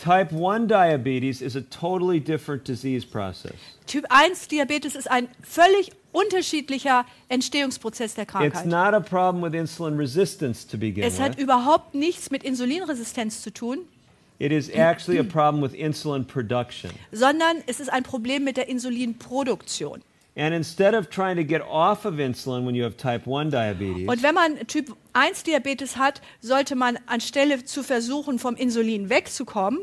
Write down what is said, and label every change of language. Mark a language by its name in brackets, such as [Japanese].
[English] Type 1 diabetes is a totally different disease process. [German] Typ 1 Diabetes ist ein völlig unterschiedlicher Entstehungsprozess der Krankheit. [English] It's not a problem with insulin resistance to begin [German] es hat [English] with. [German] Überhaupt nichts mit Insulinresistenz zu tun. [English] It is actually a problem with insulin production. [German] Sondern es ist ein Problem mit der Insulinproduktion. [English] And instead of trying to get off of insulin when you have type 1 diabetes. [German] Und wenn man Typ 1 Diabetes hat, sollte man anstelle zu versuchen vom Insulin wegzukommen,